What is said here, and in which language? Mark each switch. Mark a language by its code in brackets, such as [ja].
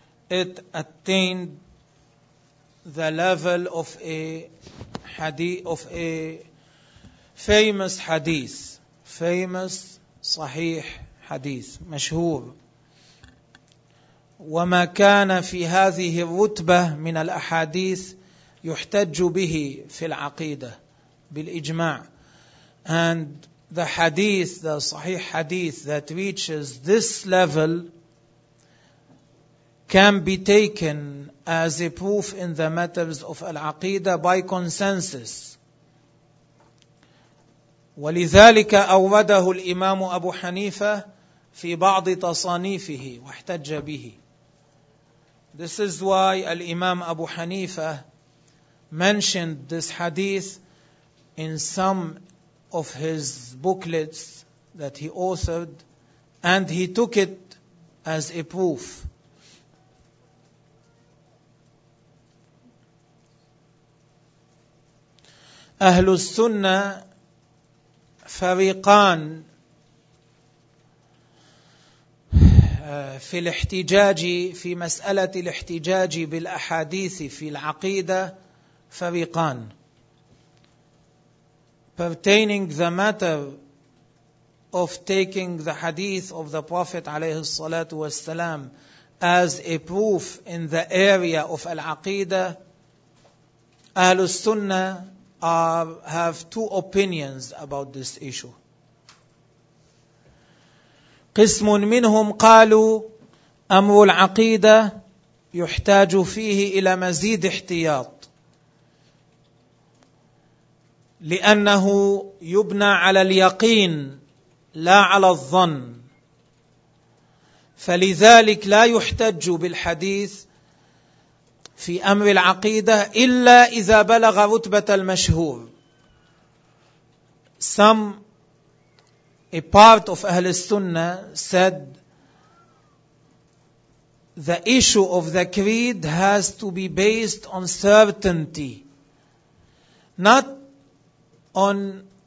[en] It attained the level of a hadith, of a famous hadith. [ar] Famous صحيح حديث. مشهور. وما كان في هذه الرتبة من الأحاديث يحتج به في العقيدة بالإجماع. [en] And the hadith, the sahih hadith that reaches this level can be taken as a proof in the matters of al-aqidah by consensus. [ar] ولذلك أورده الإمام أبو حنيفة في بعض تصانيفه واحتج به. [en] This is why al-Imam Abu Hanifa mentioned this hadith in some of his booklets that he authored, and he took it as a proof. [ar] أهل السنة فريقان في الاحتجاج في مسألة الاحتجاج بالأحاديث في العقيدة. فريقان. [en] Pertaining the matter of taking the hadith of the Prophet [ar] alayhi salatu wasalam [en] as a proof in the area of al-aqidah, Ahlul Sunnah have two opinions about this issue. [ar] قسم منهم قالوا أمر العقيدة يحتاج فيه إلى مزيد احتياط لأنه يبنى على اليقين لا على الظن، فلذلك لا يحتج بالحديث في أمر العقيدة إلا إذا بلغ رتبة المشهور. [en] Some, a part of أهل السنة said, the issue of the creed has to be based on certainty, not on